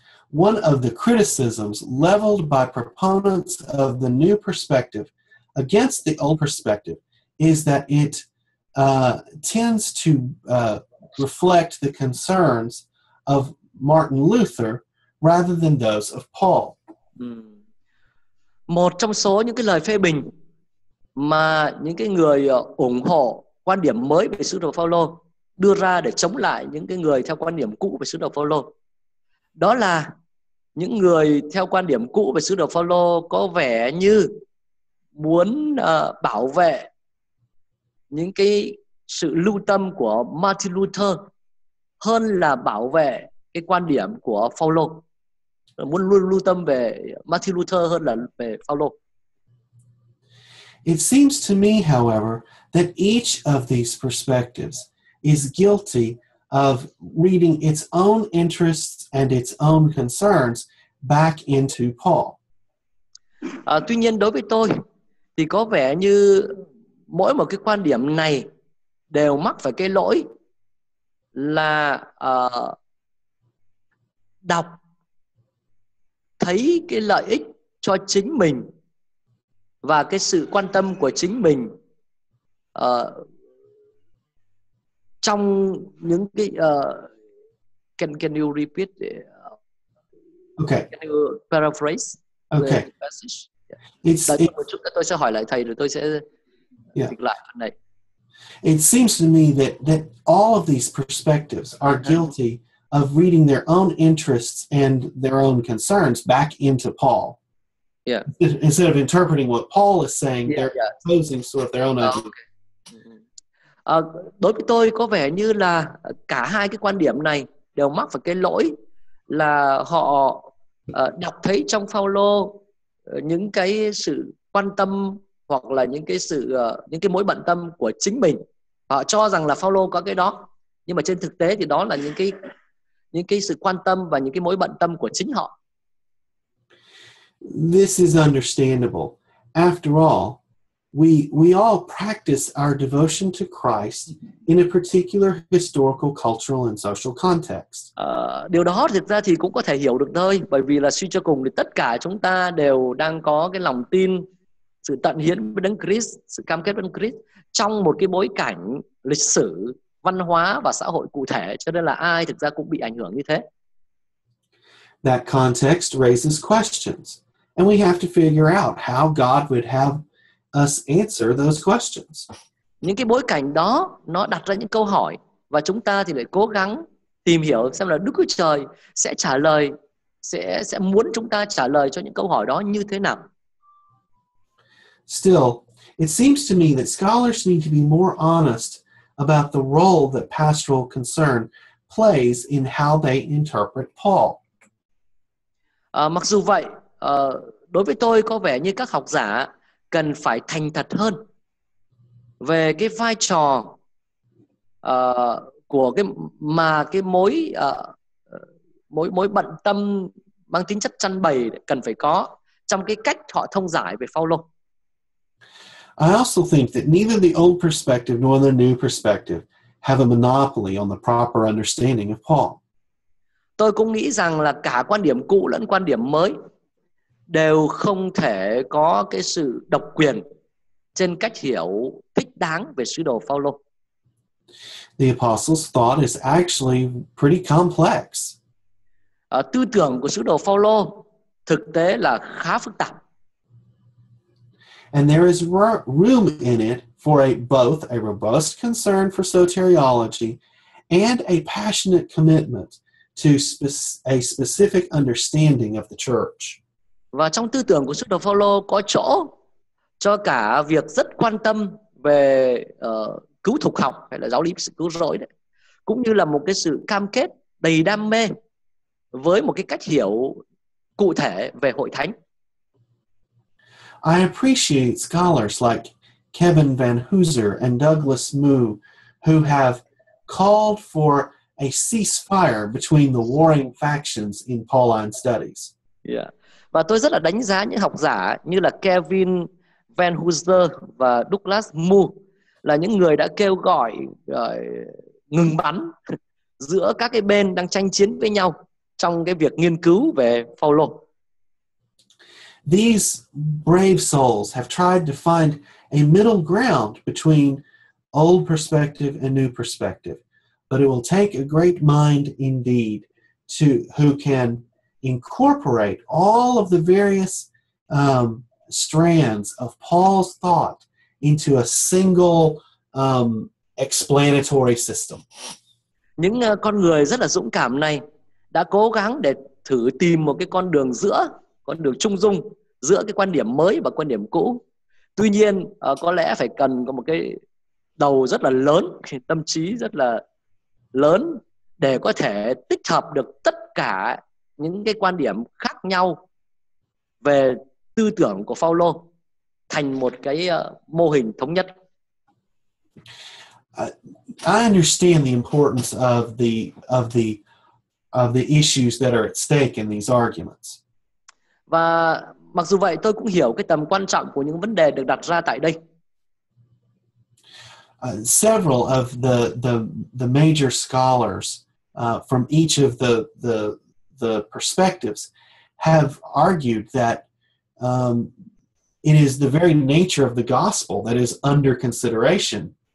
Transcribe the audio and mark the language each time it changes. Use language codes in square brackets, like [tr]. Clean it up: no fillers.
[en] One of the criticisms leveled by proponents of the new perspective against the old perspective is that it tends to reflect the concerns of Martin Luther rather than those of Paul. [vi] Một trong số những cái lời phê bình mà những cái người ủng hộ quan điểm mới về sứ đồ Phaolô đưa ra để chống lại những cái người theo quan điểm cũ về sứ đồ Phaolô, đó là những người theo quan điểm cũ về sứ đồ Phaolô có vẻ như muốn bảo vệ những cái sự lưu tâm của Martin Luther hơn là bảo vệ cái quan điểm của Phaolô, muốn luôn lưu tâm về Martin Luther hơn là về Phaolô. It seems to me, however, that each of these perspectives is guilty of reading its own interests and its own concerns back into Paul. Tuy nhiên đối với tôi thì có vẻ như mỗi một cái quan điểm này đều mắc phải cái lỗi là đọc thấy cái lợi ích cho chính mình và cái sự quan tâm của chính mình trong những cái [en] can you repeat the, okay can you paraphrase okay the passage? [vi] Tôi sẽ hỏi lại thầy rồi tôi sẽ dịch lại phần này. [en] It seems to me that all of these perspectives are guilty of reading their own interests and their own concerns back into Paul. Yeah. Instead of interpreting what Paul is saying, yeah, they're imposing sort of their own idea. Okay. [vi] Đối với tôi có vẻ như là cả hai cái quan điểm này đều mắc vào cái lỗi là họ đọc thấy trong Phaolô những cái sự quan tâm hoặc là những cái sự những cái mối bận tâm của chính mình. Họ cho rằng là Phaolô có cái đó, nhưng mà trên thực tế thì đó là những cái sự quan tâm và những cái mối bận tâm của chính họ. [en] This is understandable. After all, we all practice our devotion to Christ in a particular historical, cultural and social context. [vi] Điều đó thực ra thì cũng có thể hiểu được thôi, bởi vì là suy cho cùng thì tất cả chúng ta đều đang có cái lòng tin, sự tận hiến với Đấng Christ, sự cam kết với Đấng Christ trong một cái bối cảnh lịch sử, văn hóa và xã hội cụ thể, cho nên là ai thực ra cũng bị ảnh hưởng như thế. [en] That context raises questions, and we have to figure out how God would have us answer those questions. [vi] Những cái bối cảnh đó nó đặt ra những câu hỏi và chúng ta thì lại cố gắng tìm hiểu xem là Đức Chúa Trời sẽ trả lời, sẽ muốn chúng ta trả lời cho những câu hỏi đó như thế nào. [en] Still, it seems to me that scholars need to be more honest about the role that pastoral concern plays in how they interpret Paul. [vi] Mặc dù vậy, đối với tôi có vẻ như các học giả cần phải thành thật hơn về cái vai trò của cái mà cái mối mối bận tâm mang tính chất chăn bầy cần phải có trong cái cách họ thông giải về Phaolô. [en] I also think that neither the old perspective nor the new perspective have a monopoly on the proper understanding of Paul. [vi] Tôi cũng nghĩ rằng là cả quan điểm cũ lẫn quan điểm mới đều không thể có cái sự độc quyền trên cách hiểu thích đáng về sứ đồ Phaolô. [en] The apostle's thought is actually pretty complex. [vi] Tư tưởng của sứ đồ Phaolô thực tế là khá phức tạp. [en] And there is room in it for both a robust concern for soteriology and a passionate commitment to a specific understanding of the church. [vi] Và trong tư tưởng của sứ đồ Phaolô có chỗ cho cả việc rất quan tâm về cứu thục học hay là giáo lý sự cứu rỗi đấy, cũng như là một cái sự cam kết đầy đam mê với một cái cách hiểu cụ thể về hội thánh. [en] I appreciate scholars like Kevin Van Hooser and Douglas Moo who have called for a ceasefire between the warring factions in Pauline studies. Yeah. [vi] Và tôi rất là đánh giá những học giả như là Kevin Van Hooser và Douglas Moo là những người đã kêu gọi ngừng bắn giữa các cái bên đang tranh chiến với nhau trong cái việc nghiên cứu về Phaolô. [en] These brave souls have tried to find a middle ground between old perspective and new perspective, but it will take a great mind indeed to who can incorporate all of the various strands of Paul's thought into a single explanatory system. [vi] Những con người rất là dũng cảm này đã cố gắng để thử tìm một cái con đường trung dung giữa cái quan điểm mới và quan điểm cũ. Tuy nhiên, có lẽ phải cần có một cái đầu rất là lớn, tâm trí rất là lớn để có thể tích hợp được tất cả những cái quan điểm khác nhau về tư tưởng của Phaolô thành một cái mô hình thống nhất. [en] I understand the importance of the issues that are at stake in these arguments. [vi] Và mặc dù vậy, tôi cũng hiểu cái tầm quan trọng của những vấn đề được đặt ra tại đây. [en] Several of the major scholars from each of the perspectives have argued that it is the very nature of the gospel that is under consideration.